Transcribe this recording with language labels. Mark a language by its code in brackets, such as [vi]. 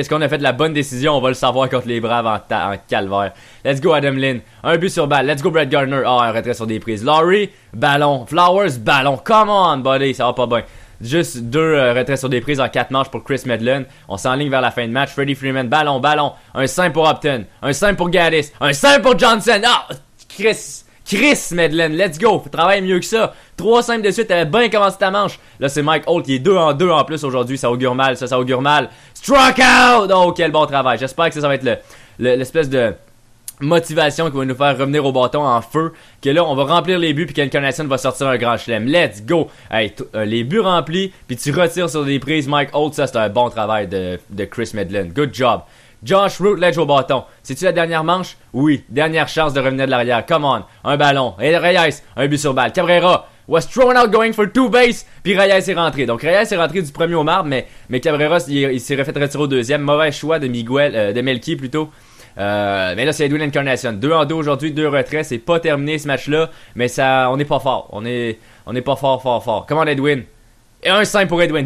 [fr] Est-ce qu'on a fait la bonne décision? On va le savoir contre les Braves en calvaire. [en] Let's go, [fr] Adam Lind. Un but sur balle. Let's go, Brett Gardner. Ah, oh, un retrait sur des prises. Laurie, ballon. Flowers, ballon. [en] Come on, buddy. [fr] Ça va pas bien. Juste deux retraits sur des prises en quatre manches pour Chris Medlin. On s'enligne vers la fin de match. Freddie Freeman, ballon, ballon. Un simple pour Upton. Un simple pour Gallis. Un simple pour Johnson. [en] Ah, oh, Chris Medlin, let's go. [fr] Travaille mieux que ça. Trois simples de suite. T'avais bien commencé ta manche. Là, c'est Mike Holt qui est 2-2 en plus aujourd'hui. Ça augure mal. Ça augure mal. [en] Struck out. [fr] Oh, quel bon travail. J'espère que ça va être l'espèce de motivation qui va nous faire revenir au bâton en feu. Que là, on va remplir les buts. Puis qu'Encarnacion va sortir un grand chelem. [en] Let's go. [fr] Hey, les buts remplis. Puis tu retires sur des prises. Mike Holt, ça, c'est un bon travail de Chris Medlin. [en] Good job. [fr] Josh Rutledge au bâton. C'est-tu la dernière manche? Oui. Dernière chance de revenir de l'arrière. [en] Come on. [fr] Un ballon. Et Reyes. Un but sur balle. [en] Cabrera was thrown out going for two base. [fr] Puis Reyes est rentré. Donc Reyes est rentré du premier au marbre. Mais Cabrera, il s'est refait retirer au deuxième. Mauvais choix de Miguel, de Melky plutôt. Mais là, c'est Edwin Encarnacion. 2-2 aujourd'hui. 2 retraits. C'est pas terminé ce match-là. Mais ça, on n'est pas fort. On est pas fort. [en] Come on, [fr] Edwin. Et un 5 pour Edwin.